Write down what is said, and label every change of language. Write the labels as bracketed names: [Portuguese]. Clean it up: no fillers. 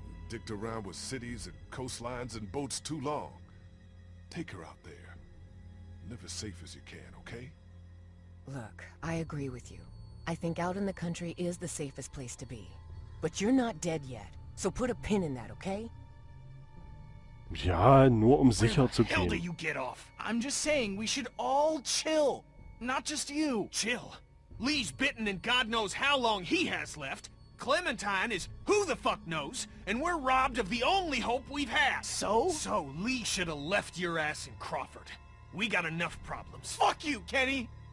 [English] Dicked around with cities and coastlines and boats too long. Take her out there. Live as safe as you can, okay? Look, I agree with you. I think out in the country is the safest place to be. But you're not dead yet, so put a pin in that, okay? [German] Ja, nur um sicher zu gehen. [English] Where the hell do you get off? I'm just saying, we should all chill. Not just you. Chill. Lee's bitten and God knows how long he has left. Clementine is who the fuck knows, and we're robbed of the only hope we've had. So? So Lee should have left your ass in Crawford. We got enough problems. Fuck you, Kenny!